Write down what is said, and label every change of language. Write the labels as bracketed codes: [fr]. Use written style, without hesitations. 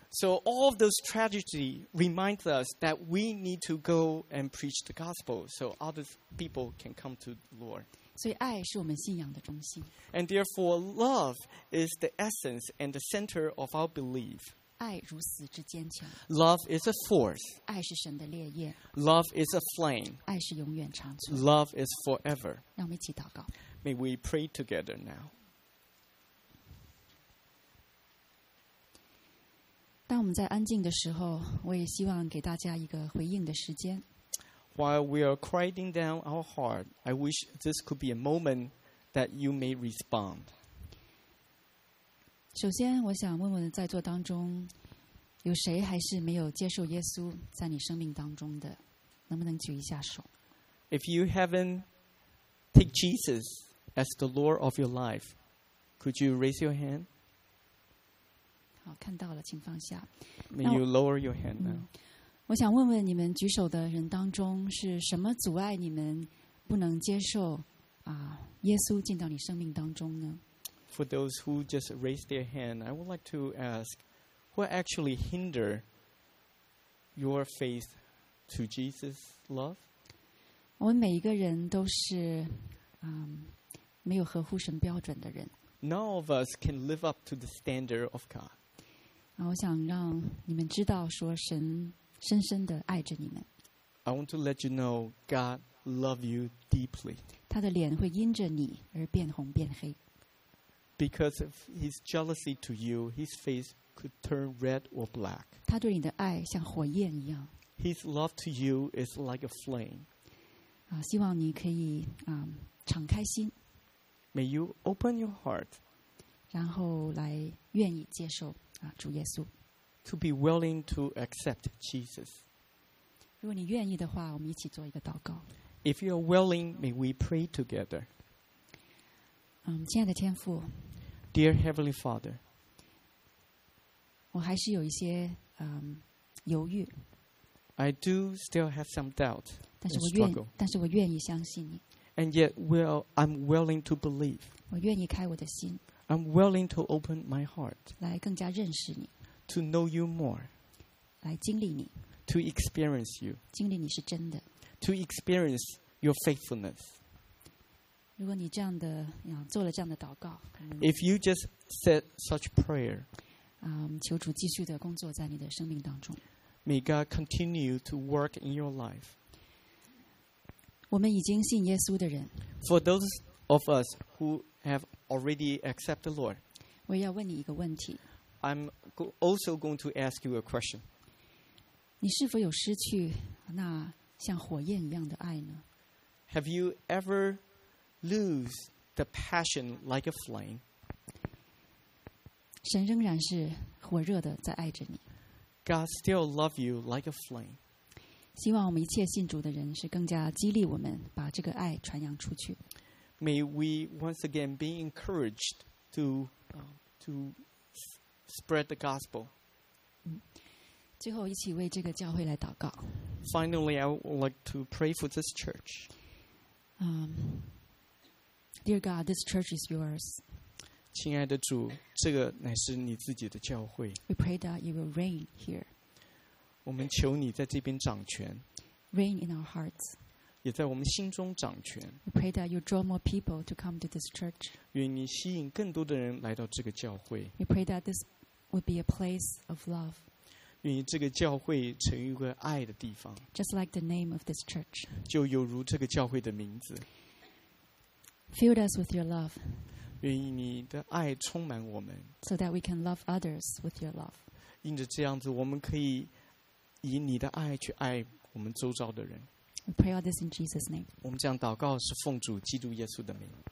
[en] So all of those tragedies remind us that we need to go and preach the gospel so other people can come to the Lord. [zh] 所以爱是我们信仰的中心。 [en] And therefore, love is the essence and the center of our belief. [zh] 爱如此之坚强。 [en] Love is a force. [zh] 爱是神的烈焰。 [en] Love is a flame. [zh] 爱是永远长存。 [en] Love is forever. [zh] 让我们一起祷告。 [en] May we pray together now. [zh] 当我们在安静的时候，我也希望给大家一个回应的时间。 [en] While we are quieting down our heart, I wish this could be a moment that you may respond. [zh] 首先，我想问问在座当中，有谁还是没有接受耶稣在你生命当中的？能不能举一下手？ [en] If you haven't take Jesus. As the Lord of your life, could you raise your hand? [zh] 好，看到了，请放下。 [en] May you lower your hand now. [zh] 我想问问你们举手的人当中，是什么阻碍你们不能接受耶稣进到你生命当中呢？ [en] For those who just raised their hand, I would like to ask, what actually hinder your faith to Jesus' love? [zh] 我们每一个人都是没有合乎神标准的人。 [en] None of us can live up to the standard of God. [zh] 我想让你们知道，说神深深的爱着你们。 [en] I want to let you know God loves you deeply. [zh] 他的脸会因着你而变红变黑。 [en] Because of his jealousy to you, his face could turn red or black. [zh] 他对你的爱像火焰一样。 [en] His love to you is like a flame. [zh] 希望你可以敞开心。 [en] May you open your heart, [zh] 然后来愿意接受主耶稣。 [en] To be willing to accept Jesus. [zh] 如果你愿意的话，我们一起做一个祷告。 [en] If you are willing, may we pray together. [zh] 亲爱的天父。 [en] Dear Heavenly Father. [zh] 我还是有一些犹豫。 [en] I do still have some doubt. [zh] 但是我愿意相信你。 [en] And yet, I'm willing to believe. [zh] 我愿意开我的心。 [en] I'm willing to open my heart. [zh] 来更加认识你。 [en] To know you more. [zh] 来经历你。 [en] To experience you. [zh] 经历你是真的。 [en] To experience your faithfulness. [zh] 如果你这样的，做了这样的祷告。 [en] If you just said such prayer. [zh] 求主继续的工作在你的生命当中。 [en] May God continue to work in your life. [zh] 我们已经信耶稣的人 [en] For those of us who have already accepted the Lord [zh] 我要问你一个问题 [en] I'm also going to ask you a question [zh] 你是否有失去那像火焰一样的爱呢 [en] Have you ever lose the passion like a flame? [zh] 神仍然是火热的在爱着你 [en] God still loves you like a flame [zh] 希望我们一切信主的人是更加激励我们把这个爱传扬出去。 [en] May we once again be encouraged to spread the gospel. [zh] 最后一起为这个教会来祷告。 [en] Finally, I would like to pray for this church. Dear God, this church is yours. [zh] 亲爱的主，这个乃是你自己的教会。 [en] We pray that you will reign here. [zh] 我们求你在这边掌权 [en] Reign in our hearts [zh] 也在我们心中掌权 [en] We pray that you draw more people to come to this church [zh] 愿你吸引更多的人来到这个教会 [en] We pray that this would be a place of love [zh] 愿你这个教会成一个爱的地方 [en] Just like the name of this church [zh] 就有如这个教会的名字 [en] Fill us with your love [zh] 愿你的爱充满我们 [en] So that we can love others with your love [zh] 因着这样子我们可以以你的爱去爱我们周遭的人。 [en] We pray all this in Jesus' name. [zh] 我们这样祷告是奉主基督耶稣的名。